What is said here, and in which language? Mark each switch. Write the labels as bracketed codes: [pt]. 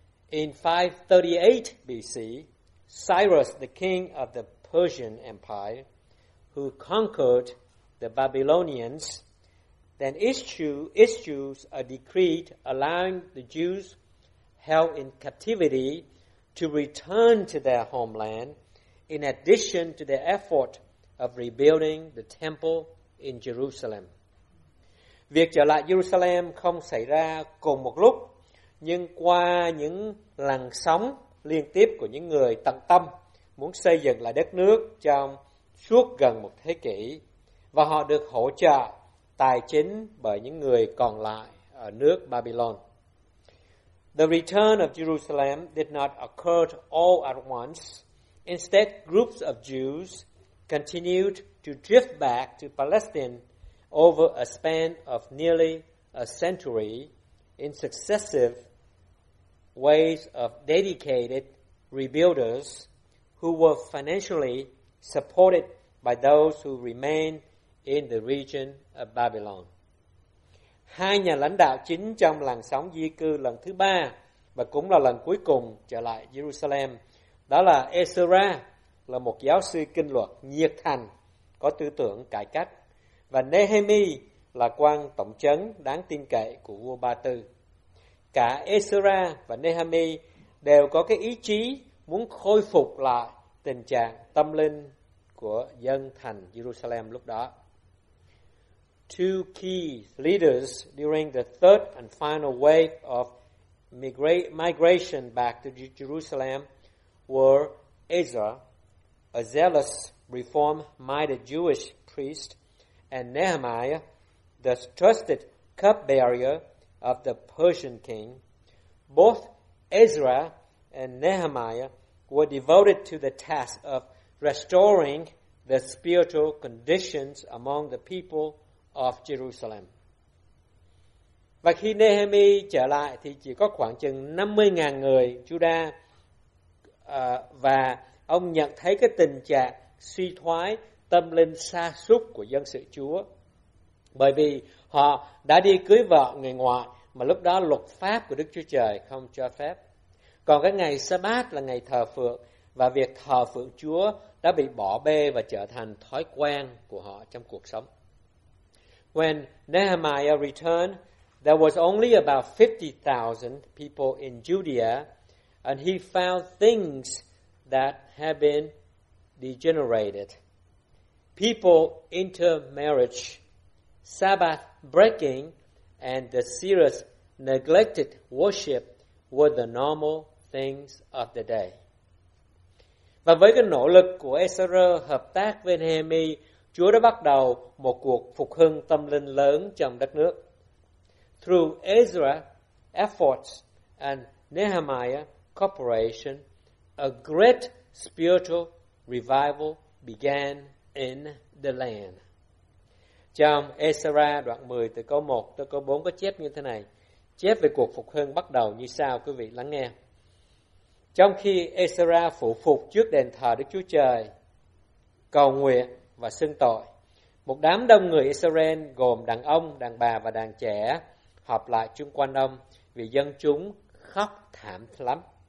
[en] In 538 BC, Cyrus, the king of the Persian Empire, who conquered the Babylonians, then issues a decree allowing the Jews held in captivity to return to their homeland in addition to their effort of rebuilding the temple in Jerusalem. [vi] Việc trở lại Jerusalem không xảy ra cùng một lúc, nhưng qua những làn sóng liên tiếp của những người tận tâm muốn xây dựng lại đất nước trong suốt gần một thế kỷ, và họ được hỗ trợ tài chính bởi những người còn lại ở nước Babylon. [en] The return of Jerusalem did not occur all at once. Instead, groups of Jews continued to drift back to Palestine over a span of nearly a century in successive ways of dedicated rebuilders who were financially supported by those who remained in the region of Babylon. [vi] Hai nhà lãnh đạo chính trong làn sóng di cư lần thứ ba và cũng là lần cuối cùng trở lại Jerusalem, đó là Ezra, là một giáo sư kinh luật nhiệt thành, có tư tưởng cải cách, và Nehemiah là quan tổng trấn đáng tin cậy của vua Ba Tư. Cả Ezra và Nehemiah đều có cái ý chí muốn khôi phục lại tình trạng tâm linh của dân thành Jerusalem lúc đó. [en] Two key leaders during the third and final wave of migration back to Jerusalem were Ezra, a zealous reform-minded Jewish priest, and Nehemiah, the trusted cupbearer of the Persian king. Both Ezra and Nehemiah were devoted to the task of restoring the spiritual conditions among the people of Jerusalem. [vi] Và khi Nehemiah trở lại thì chỉ có khoảng chừng 50.000 người Juda, và ông nhận thấy cái tình trạng suy thoái tâm linh sa sút của dân sự Chúa, bởi vì họ đã đi cưới vợ người ngoại mà lúc đó luật pháp của Đức Chúa Trời không cho phép. Còn cái ngày Sa-bát là ngày thờ phượng, và việc thờ phượng Chúa đã bị bỏ bê và trở thành thói quen của họ trong cuộc sống. [en] When Nehemiah returned, there was only about 50,000 people in Judea, and he found things that had been degenerated. People intermarriage, Sabbath breaking, and the serious neglected worship were the normal things of the day. [vi] Và với cái nỗ lực của Ezra hợp tác với Nehemiah, Chúa đã bắt đầu một cuộc phục hưng tâm linh lớn trong đất nước. [en] Through Ezra's efforts and Nehemiah's cooperation, a great spiritual revival began in the land. [vi] Trong Ezra đoạn 10 từ câu 1 tới câu 4 có chép như thế này, chép về cuộc phục hưng bắt đầu như sau, quý vị lắng nghe. Trong khi Ezra phụ phục trước đền thờ Đức Chúa Trời, cầu nguyện và xưng tội, một đám đông người Israel gồm đàn ông, đàn bà và đàn trẻ họp lại chung quanh ông vì dân chúng khóc thảm lắm.